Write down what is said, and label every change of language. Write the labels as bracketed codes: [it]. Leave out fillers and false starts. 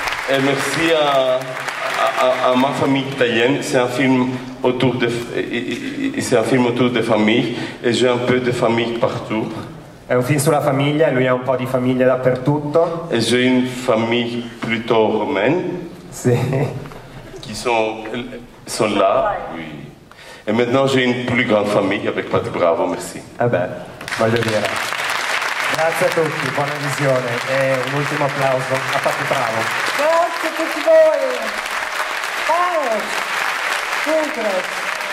[fr] Et merci à ma famille italienne. C'est un film autour de famille. Et j'ai un peu de famille partout. [it] È un film sulla famiglia e lui ha un po' di famiglia dappertutto. [fr] Et j'ai une famille plutôt romaine. [it] Sì. [fr] Qui sont là. Oui. Et maintenant j'ai une plus grande famille avec Patti Bravo. Merci. [it] Beh, voglio dire. Grazie a tutti, buona visione e un ultimo applauso a Patti Bravo. Grazie a tutti voi. Ciao. Ciao.